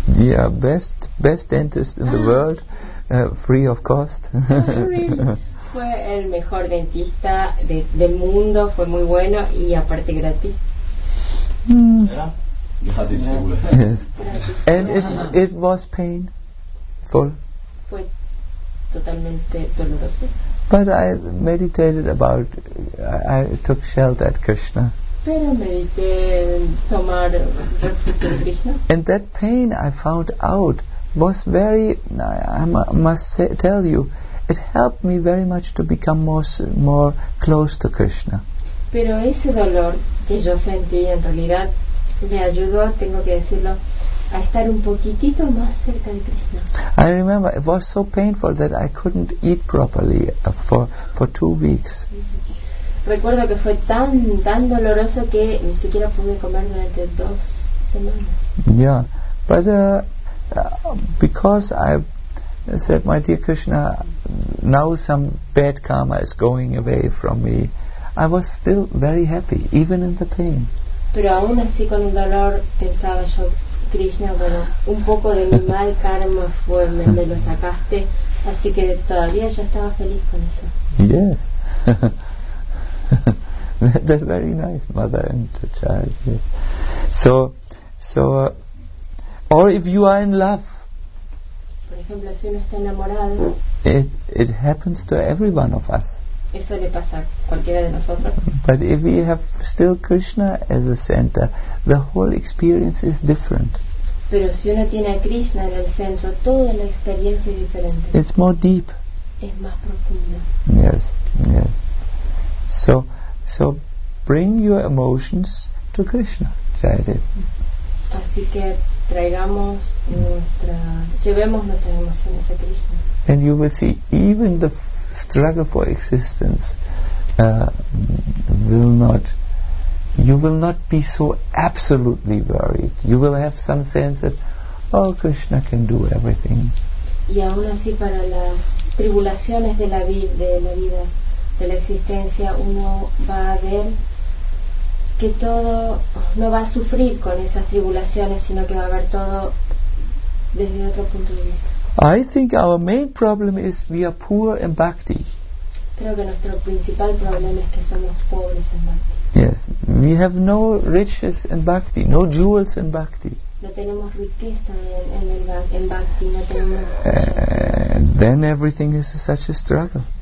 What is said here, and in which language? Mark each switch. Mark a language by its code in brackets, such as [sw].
[en] Yeah, best dentist in the world, free of cost. [es] Fue el mejor dentista del mundo, fue muy bueno y aparte gratis. [en] Mm. Yes. And it was painful. [es] Fue totalmente doloroso. [en] But I meditated about, I took shelter at Krishna. [es] Pero medité tomar refugio en Krishna. [en] And that pain I found out was very, I must tell you, it helped me very much to become more close to Krishna. [es] Pero ese dolor que yo sentí en realidad me ayudó, tengo que decirlo, a estar un poquitito más cerca de Krishna. [en] I remember it was so painful that I couldn't eat properly for 2 weeks. [es] Recuerdo que fue tan doloroso que ni siquiera pude comer durante 2 semanas. [en] Yeah, but because I said, my dear Krishna, now some bad karma is going away from me, I was still very happy, even in the pain. [es] Pero aún así con el dolor pensaba yo, Krishna, bueno, un poco de mi mal karma fue, me lo sacaste, así que todavía yo estaba feliz con eso. [en] Yes. That's very nice, mother and child. Yes. So, or if you are in love. [es] Por ejemplo, si uno está enamorado. [en] It happens to every one of us. [es] Eso le pasa a cualquiera de nosotros. [en] But if we have still Krishna as a center, the whole experience is different. [es] Pero si uno tiene a Krishna en el centro, toda la experiencia es diferente. [en] It's more deep. [es] Es más profunda. [en] Yes, yes. So bring your emotions to Krishna, Jayadev. [es] Así que traigamos llevemos nuestras emociones a Krishna. [en] And you will see even the struggle for existence will not, you will not be so absolutely worried. You will have some sense that, oh, Krishna can do everything. [es] Y aún así para las tribulaciones de la vida, de la existencia, uno va a ver que todo no va a sufrir con esas tribulaciones, sino que va a ver todo desde otro punto de vista. [en] I think our main problem is we are poor in bhakti. [es] Creo que nuestro principal problema es que somos pobres en bhakti. [en] Yes, we have no riches in bhakti, no jewels in bhakti. [es] No tenemos riqueza en bhakti, no tenemos. [en] Then everything is such a struggle.